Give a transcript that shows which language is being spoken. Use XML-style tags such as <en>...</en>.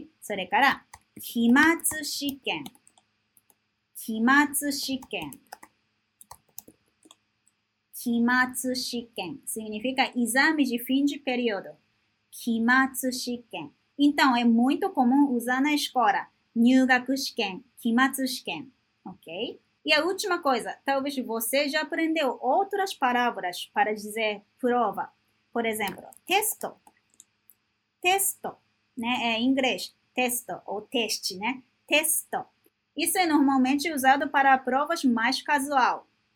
<ja>それから、</ja> <pt>期末試験 significa exame de fim de período. 期末試験 Então, é muito comum usar na escola.</pt> <ja>入学試験、期末試験 Ok?</ja> <pt>E a última coisa, talvez você já aprendeu outras palavras para dizer prova. Por exemplo, testo, né? É em inglês, testo ou teste, né? Testo. Isso é normalmente usado para provas mais casual.</pt>